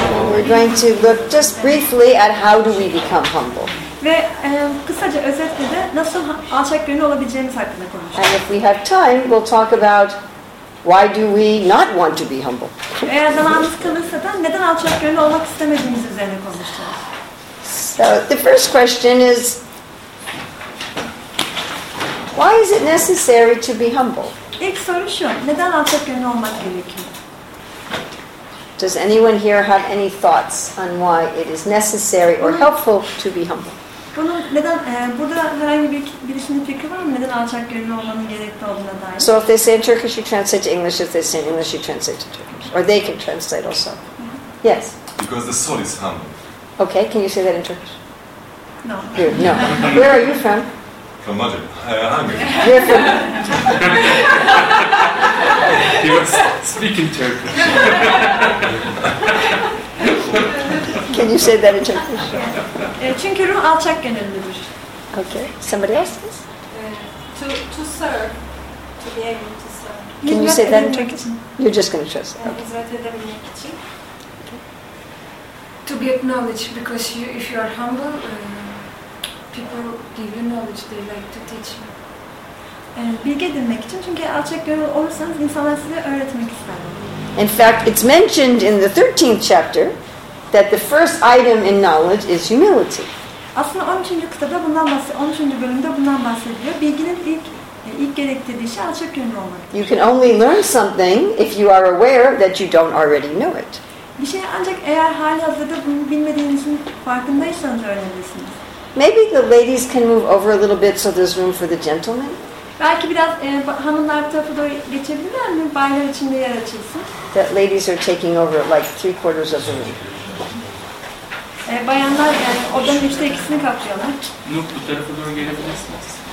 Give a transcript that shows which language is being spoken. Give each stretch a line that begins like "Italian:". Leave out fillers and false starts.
English: We're going to look just briefly at how do we become humble.
Turkish: Ve kısaca özetle de nasıl alçak gönüllü olabileceğimiz hakkında konuşacağız.
English: And if we have time, we'll talk about why do we not want to be humble.
Turkish: Eğer zamanımız kalırsa da neden alçak gönüllü olmak istemediğimiz üzerine konuşacağız.
English: So the first question is, why is it necessary to be humble?
Turkish: İlk soru şu, neden alçak gönüllü olmak gerekiyor?
English: Does anyone here have any thoughts on why it is necessary or helpful to be humble?
Turkish: Bunu neden burada herhangi bir birisinin fikri var mı? Neden alçak gönüllü olmanın gerekli olduğuna dair?
English: So if they say in Turkish, you translate to English. If they say in English, you translate to Turkish. Or they can translate also. Mm-hmm. Yes. Because the soul is humble. Okay, can you say that in Turkish? No. Here, no. Where are you from? From Madrid. Hungary. Where from? He was speaking Turkish. Can you say that in Turkish?
Turkish: Çünkü ruh alçak gönüllüdür.
English: Okay. Somebody else, please. To serve. To be able to serve. Can you say that in Turkish? You're just going to trust.
Turkish: Hizmet edebilmek için.
English: To be acknowledged, because you, if you are humble, people give you knowledge, they like to teach you.
Turkish: Bilgi edinmek için, çünkü alçak gönüllü olursanız insanlar size öğretmek ister.
English: In fact, it's mentioned in the 13th chapter that the first item in knowledge is humility.
Turkish: Aslında 13. kitapta bundan bahsediyor. 13. bölümde bundan bahsediyor. Bilginin ilk gerektirdiği şey alçak gönüllü olmak.
English: You can only learn something if you are aware that you don't already know it.
Turkish: Bir şey ancak eğer halihazırda bunu bilmediğinizin farkındaysanız öğrenirsiniz.
English: Maybe the ladies can move over a little bit so there's room for the gentlemen.
Turkish: Belki biraz hanımlar tarafı doğru geçebilirler mi? Baylar için de yer açılsın.
English: That ladies are taking over like three quarters of the room.
Turkish: Bayanlar yani odanın üçte ikisini kaplıyorlar. Nur bu tarafa doğru gelebilirsiniz.